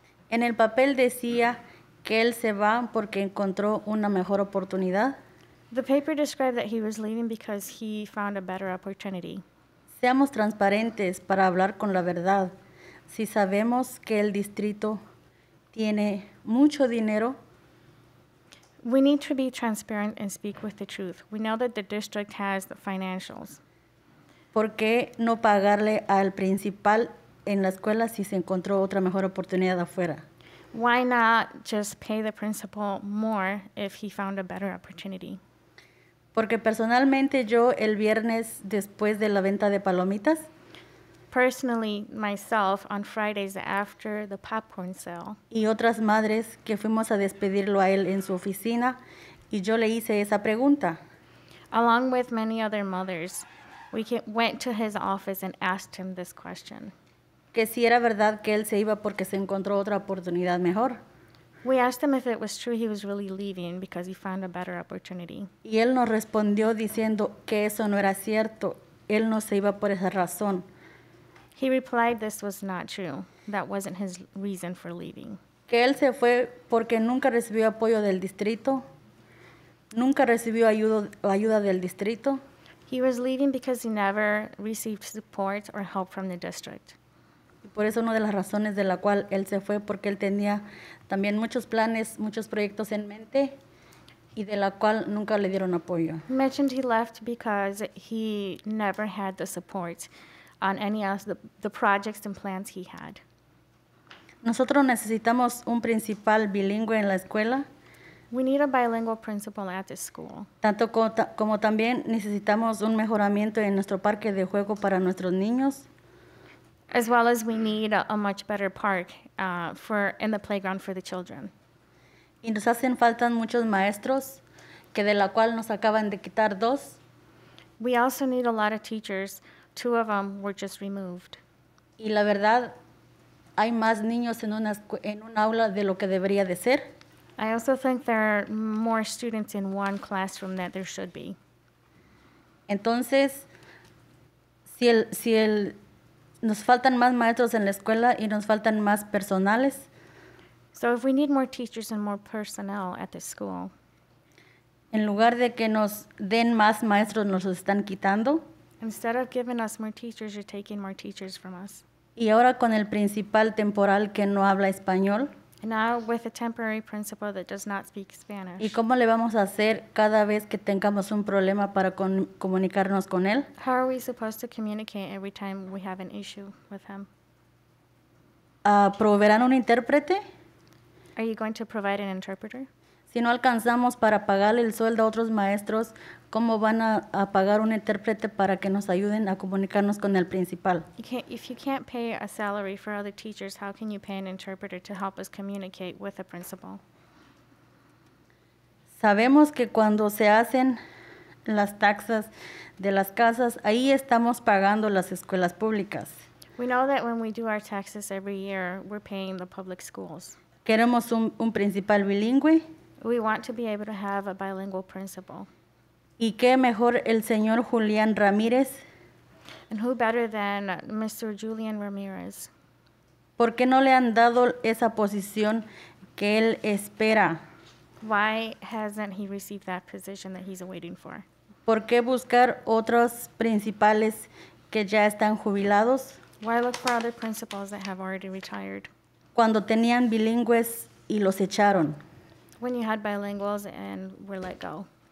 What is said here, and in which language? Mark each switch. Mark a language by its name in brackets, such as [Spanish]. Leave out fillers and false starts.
[Spanish] En el papel decía que él se va porque encontró una mejor oportunidad. [English] The paper described that he was leaving because he found a better opportunity. [Spanish] Seamos transparentes para hablar con la verdad. Si sabemos que el distrito tiene mucho dinero. [English] We need to be transparent and speak with the truth. We know that the district has the financials. [Spanish] ¿Por qué no pagarle al principal en la escuela si se encontró otra mejor oportunidad afuera? [English] why not just pay the principal more if he found a better opportunity? [Spanish] Porque personalmente yo el viernes después de la venta de palomitas. [English] Personally, myself, on Fridays after the popcorn sale. [Spanish] Y otras madres que fuimos a despedirlo a él en su oficina, y yo le hice esa pregunta. [English] Along with many other mothers, we went to his office and asked him this question. [Spanish] Que si era verdad que él se iba porque se encontró otra oportunidad mejor. [English] We asked him if it was true he was really leaving because he found a better opportunity. [Spanish] Y él nos respondió diciendo que eso no era cierto. Él no se iba por esa razón. [English] He replied this was not true. That wasn't his reason for leaving. [Spanish] Que él se fue porque nunca recibió apoyo del distrito. Nunca recibió ayuda del distrito. [English] He was leaving because he never received support or help from the district. [Spanish] Y por eso una de las razones de la cual él se fue porque él tenía también muchos planes, muchos proyectos en mente y de la cual nunca le dieron apoyo. [English] Mentioned he left because he never had the support on any of the projects and plans he had. [Spanish] Nosotros necesitamos un principal bilingüe en la escuela. [English] We need a bilingual principal at this school. [Spanish] Tanto como también necesitamos un mejoramiento en nuestro parque de juego para nuestros niños. [English] As well as we need a much better park in the playground for the children. [Spanish] Y nos hacen falta muchos maestros, que de la cual nos acaban de quitar dos. [English] We also need a lot of teachers. Two of them were just removed. [Spanish] Y la verdad, hay más niños en un aula de lo que debería de ser. [English] I also think there are more students in one classroom than there should be. [Spanish] Entonces, si nos faltan más maestros en la escuela y nos faltan más personales. [English] So if we need more teachers and more personnel at the school. [Spanish] En lugar de que nos den más maestros, nos los están quitando. [English] Instead of giving us more teachers, you're taking more teachers from us. [Spanish] Y ahora con el principal temporal que no habla español. [English] And now with a temporary principal that does not speak Spanish. [Spanish] ¿Y cómo le vamos a hacer cada vez que tengamos un problema para comunicarnos con él? [English] How are we supposed to communicate every time we have an issue with him? [Spanish] ¿Proveerán un intérprete? [English] Are you going to provide an interpreter? [Spanish] Si no alcanzamos para pagarle el sueldo a otros maestros, ¿cómo van a pagar un intérprete para que nos ayuden a comunicarnos con el principal? [English] If you can't pay a salary for other teachers, how can you pay an interpreter to help us communicate with a principal? [Spanish] Sabemos que cuando se hacen las taxas de las casas, ahí estamos pagando las escuelas públicas. [English] We know that when we do our taxes every year, we're paying the public schools. [Spanish] Queremos un principal bilingüe. [English] We want to be able to have a bilingual principal. [Spanish] ¿Y qué mejor el señor Julián Ramírez? [English] And who better than Mr. Julian Ramirez? [Spanish] ¿Por qué no le han dado esa posición que él espera? [English] Why hasn't he received that position that he's waiting for? [Spanish] ¿Por qué buscar otros principales que ya están jubilados? [English] Why look for other principals that have already retired? [Spanish] Cuando tenían bilingües y los echaron. [English] When you had bilinguals and were let go.